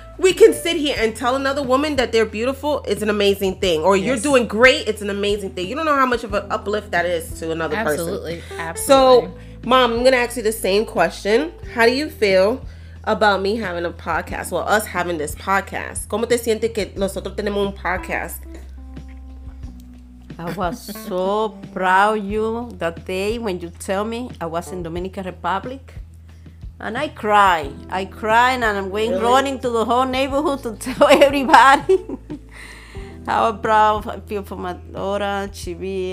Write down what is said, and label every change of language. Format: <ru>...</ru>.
<en>We can sit here and tell another woman that they're beautiful. It's an amazing thing. Or you're doing great. It's an amazing thing. You don't know how much of an uplift that is to another person. So, Mom, I'm going to ask you the same question. How do you feel about me having a podcast? Well, us having this podcast.</en> <es>¿Cómo te sientes que nosotros tenemos un podcast?</es> <en>I was so proud of you that day when you tell me I was in Dominican Republic. And I cry. I cry and I went running to the whole neighborhood to tell everybody how proud I feel for my daughter, Chibi.</en>